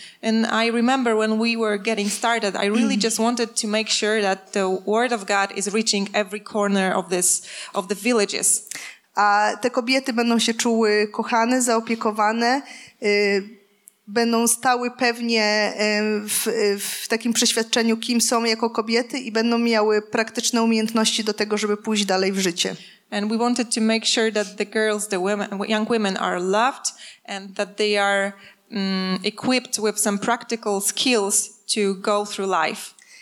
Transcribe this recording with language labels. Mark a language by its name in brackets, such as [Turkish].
[English] And I remember when we were getting started, I really just wanted to make sure that the Word of God is reaching every corner of the villages. [Polish] A te kobiety będą się czuły kochane, zaopiekowane, będą stały pewnie w takim przeświadczeniu, kim są jako kobiety i będą miały praktyczne umiejętności do tego, żeby pójść dalej w życie. [English] And we wanted to make sure that the girls, the women, young women are loved and that they are equipped with some practical skills to go through life.